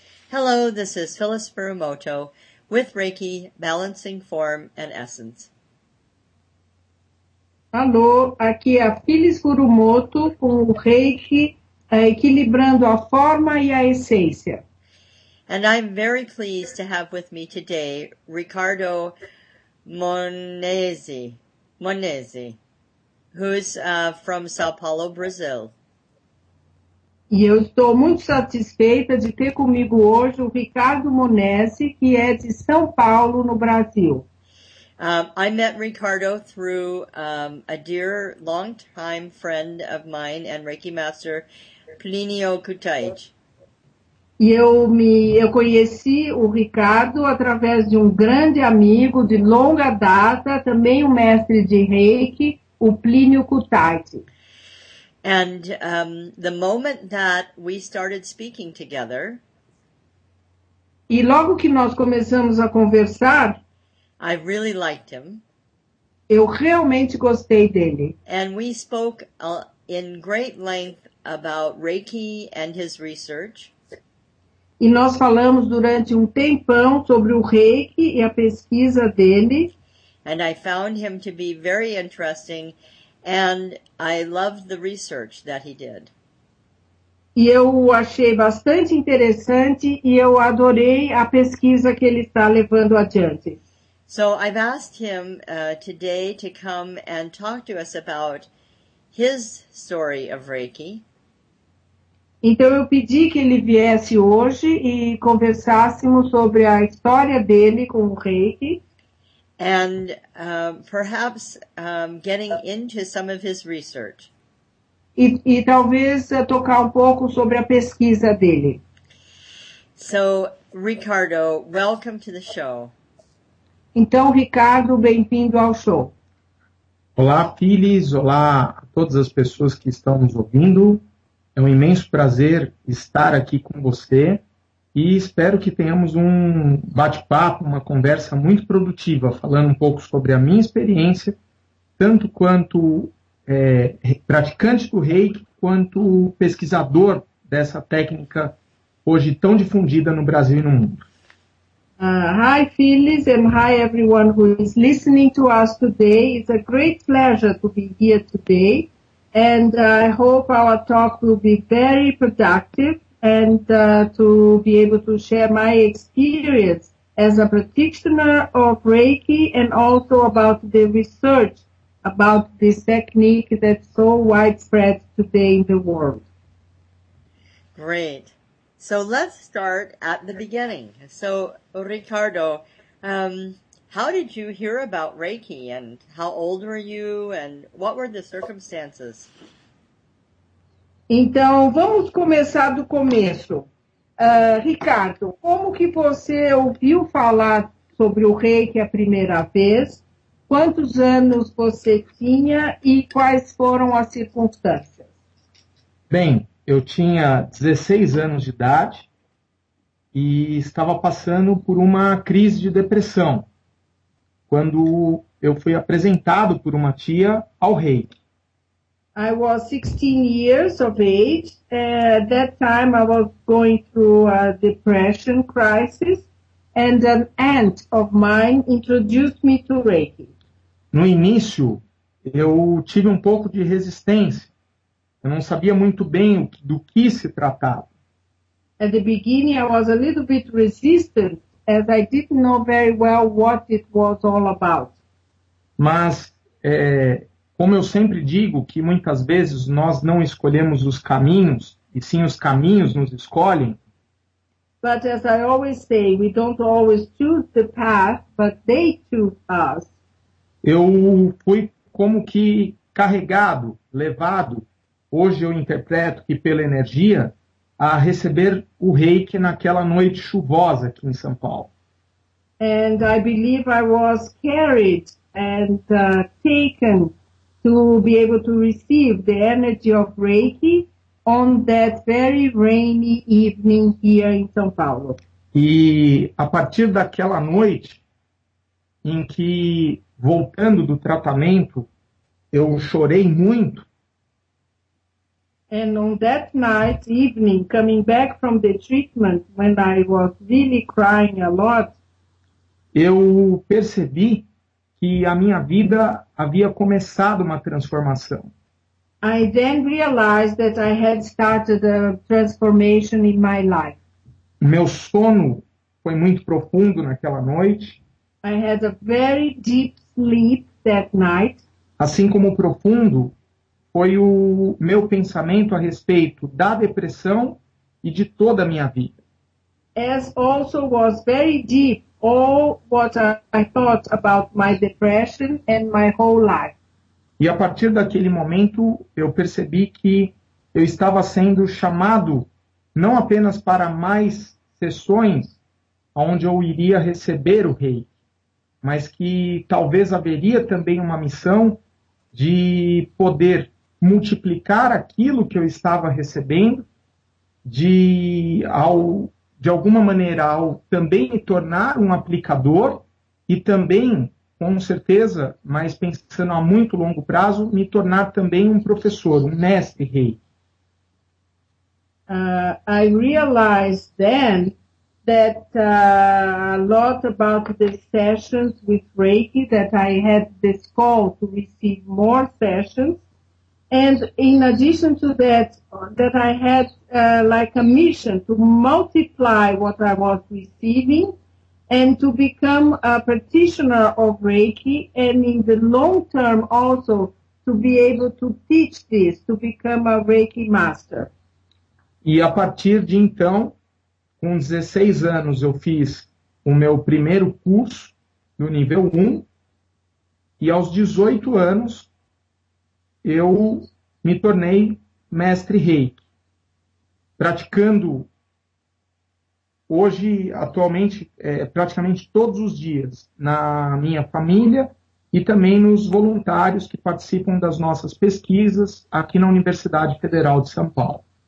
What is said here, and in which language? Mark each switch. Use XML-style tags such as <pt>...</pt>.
<en>Hello, this is Phyllis Furumoto with Reiki, Balancing Form and Essence.</en> <pt>Alô, aqui é a Phyllis Furumoto com o Reiki, equilibrando a forma e a essência.</pt> <en>And I'm very pleased to have with me today Ricardo Monese, who's from São Paulo, Brazil.</en> <pt>E eu estou muito satisfeita de ter comigo hoje o Ricardo Monese, que é de São Paulo, no Brasil.</pt> <en>I met Ricardo through a dear, long-time friend of mine and Reiki Master, Plinio Kutaj.</en> <pt>E eu conheci o Ricardo através de um grande amigo de longa data, também um mestre de Reiki, o Plinio Kutaj.</pt> <en>And the moment that we started speaking together,</en> <pt>e logo que nós começamos a conversar,</pt> <en>I really liked him.</en> <pt>Eu realmente gostei dele.</pt> <en>And we spoke in great length about Reiki and his research.</en> <pt>E nós falamos durante um tempão sobre o Reiki e a pesquisa dele.</pt> <en>And I found him to be very interesting. And I loved the research that he did.</en> <pt>E eu o achei bastante interessante e eu adorei a pesquisa que ele está levando adiante.</pt> <en>So I've asked him today to come and talk to us about his story of Reiki.</en> <pt>Então eu pedi que ele viesse hoje e conversássemos sobre a história dele com o Reiki.</pt> <en>And perhaps getting into some of his research.</en> <pt>E talvez tocar um pouco sobre a pesquisa dele.</pt> <en>So, Ricardo, welcome to the show.</en> <pt>Então, Ricardo, bem-vindo ao show. Olá, Phyllis. Olá a todas as pessoas que estão nos ouvindo. É um imenso prazer estar aqui com você. E espero que tenhamos um bate-papo, uma conversa muito produtiva, falando um pouco sobre a minha experiência, tanto quanto praticante do Reiki, quanto pesquisador dessa técnica hoje tão difundida no Brasil e no mundo.</pt> <en>Hi, Phyllis, and hi, everyone who is listening to us today. It's a great pleasure to be here today, and I hope our talk will be very productive. And to be able to share my experience as a practitioner of Reiki and also about the research about this technique that's so widespread today in the world. Great. So let's start at the beginning. So, Ricardo, how did you hear about Reiki and how old were you and what were the circumstances?</en> <pt>Então, vamos começar do começo. Ricardo, como que você ouviu falar sobre o Reiki a primeira vez? Quantos anos você tinha e quais foram as circunstâncias? Bem, eu tinha 16 anos de idade e estava passando por uma crise de depressão quando eu fui apresentado por uma tia ao Reiki.</pt> <en>I was 16 years of age. At that time, I was going through a depression crisis, and an aunt of mine introduced me to Reiki.</en> <pt>No início, eu tive um pouco de resistência. Eu não sabia muito bem do que se tratava.</pt> <en>At the beginning, I was a little bit resistant, as I didn't know very well what it was all about.</en> <pt>Mas, como eu sempre digo, que muitas vezes nós não escolhemos os caminhos, e sim os caminhos nos escolhem.</pt> <en>But as I always say, we don't always choose the path, but they choose us.</en> <pt>Eu fui como que carregado, levado, hoje eu interpreto que pela energia, a receber o Reiki naquela noite chuvosa aqui em São Paulo.</pt> <en>And I believe I was carried and taken to be able to receive the energy of Reiki on that very rainy evening here in São Paulo.</en> <pt>E a partir daquela noite, em que, voltando do tratamento, eu chorei muito.</pt> <en>And on that night, evening, coming back from the treatment, when I was really crying a lot,</en> <pt>eu percebi que a minha vida havia começado uma transformação.</pt> <en>I then realized that I had started a transformation in my life.</en> <pt>Meu sono foi muito profundo naquela noite.</pt> <en>I had a very deep sleep that night.</en> <pt>Assim como profundo foi o meu pensamento a respeito da depressão e de toda a minha vida.</pt> <en>As also was very deep all what I thought about my depression and my whole life.</en> <pt>E a partir daquele momento, eu percebi que eu estava sendo chamado não apenas para mais sessões onde eu iria receber o rei, mas que talvez haveria também uma missão de poder multiplicar aquilo que eu estava recebendo, de alguma maneira, ao também me tornar um aplicador e também, com certeza, mas pensando a muito longo prazo, me tornar também um professor, um mestre rei.</pt> <en>I realized then that a lot about the sessions with Reiki, that I had this call to receive more sessions. And in addition to that, that I had like a mission to multiply what I was receiving and to become a practitioner of Reiki, and in the long term also to be able to teach this, to become a Reiki master.</en> <pt>E a partir de então, com 16 anos, eu fiz o meu primeiro curso no nível 1, e aos 18 anos, eu me tornei mestre Reiki, praticando hoje, atualmente, praticamente todos os dias, na minha família e também nos voluntários que participam das nossas pesquisas aqui na Universidade Federal de São Paulo.</pt>